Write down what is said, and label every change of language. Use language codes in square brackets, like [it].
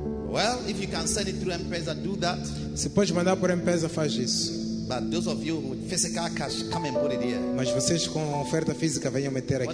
[en] Well, if you can send it through M-Pesa, do that. [pt] Se pode mandar por M-Pesa, faz isso. [en] But those of you with physical cash, come and put it here. [pt] Mas vocês com oferta física venham meter aqui